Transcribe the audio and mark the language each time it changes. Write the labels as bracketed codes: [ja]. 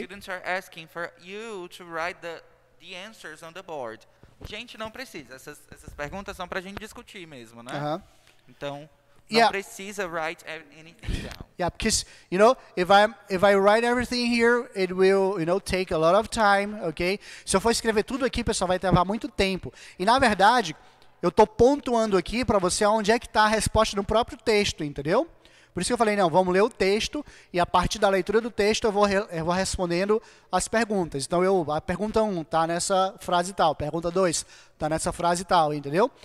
[en] Students are asking for you to write the answers on the board. [pt] Gente, não precisa. Essas perguntas são para a gente discutir mesmo, né? Uh-huh. Então, não [en] yeah. [pt] precisa [en] write anything down. Yeah, because, you know, if I write everything here, it will, you know, take a lot of time, okay? [pt] Se eu for escrever tudo aqui, pessoal, vai levar muito tempo. E, na verdade, eu estou pontuando aqui para você onde é que está a resposta no próprio texto, entendeu? Por isso que eu falei, não, vamos ler o texto e a partir da leitura do texto eu vou respondendo as perguntas. Então, a pergunta 1 está nessa frase tal, pergunta 2 está nessa frase tal, entendeu?